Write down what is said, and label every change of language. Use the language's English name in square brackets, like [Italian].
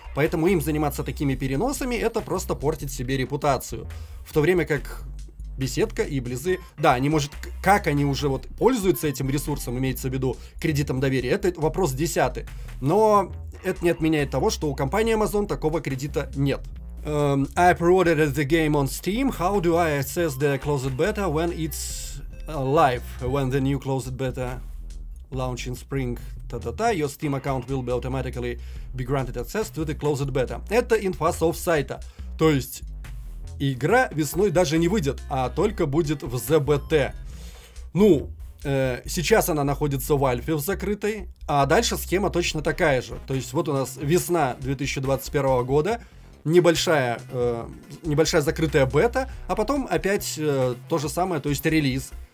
[Russian] Поэтому им заниматься такими переносами — это просто портит себе репутацию. В то время как Беседка и Близы, да, они, может, как они уже вот пользуются этим ресурсом, имеется в виду кредитом доверия, это вопрос десятый. Но это не отменяет того, что у компании Amazon такого кредита нет. [English] I pre-ordered the game on Steam. How do I access the closed beta when it's live? When the new closed beta launch in spring, та-та-та, your Steam account will be automatically be granted access to the closed beta. [Russian] Это инфа с офсайта. То есть игра весной даже не выйдет, а только будет в ZBT. Ну, сейчас она находится в альфе в закрытой, а дальше схема точно такая же. То есть вот у нас весна 2021 года, небольшая закрытая бета, а потом опять то же самое, то есть релиз.